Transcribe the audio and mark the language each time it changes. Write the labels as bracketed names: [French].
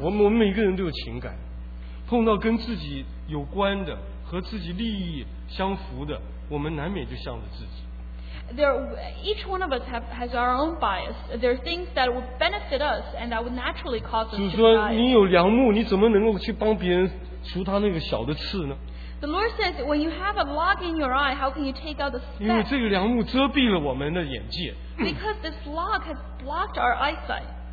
[Chinese] 我们每个人都有情感，碰到跟自己有关的和自己利益相符的，我们难免就向着自己。 [English] Each one of us has our own bias. There are things that would benefit us and that would naturally cause us to bias. [Chinese] 主说，你有梁木，你怎么能够去帮别人除他那个小的刺呢？ [English] The Lord says, when you have a log in your eye, how can you take out the speck? [Chinese] 因为这个梁木遮蔽了我们的眼界。 [English] Because this log has blocked our eyesight.